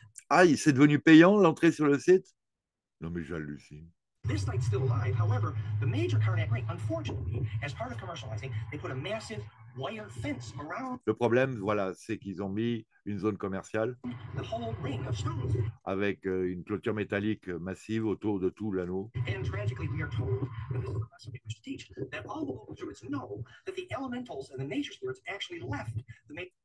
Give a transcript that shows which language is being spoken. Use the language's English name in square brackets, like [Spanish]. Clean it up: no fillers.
[French] Aïe, c'est devenu payant l'entrée sur le site? Non, mais j'hallucine. [English] This site's still alive. However, the major Karnak ring, unfortunately, as part of commercializing, they put a massive wire fence around. [French] Le problème, voilà, c'est qu'ils ont mis une zone commerciale [English] the whole ring of stones. [French] Avec une clôture métallique massive autour de tout l'anneau. [English] And tragically, we are told, and this is the lesson we teach, that all the local druids know that the elementals and the nature spirits actually left the main.